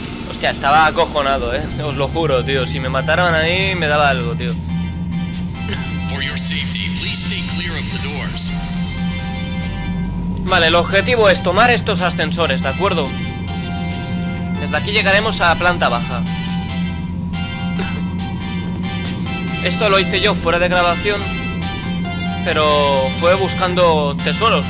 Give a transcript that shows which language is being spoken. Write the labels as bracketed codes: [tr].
[es] Hostia, estaba acojonado, ¿eh? Os lo juro, tío. Si me mataran ahí, me daba algo, tío. [en] For your safety, please stay clear of the doors. [es] Vale, el objetivo es tomar estos ascensores, ¿de acuerdo? Desde aquí llegaremos a la planta baja. Esto lo hice yo fuera de grabación, pero fue buscando tesoros.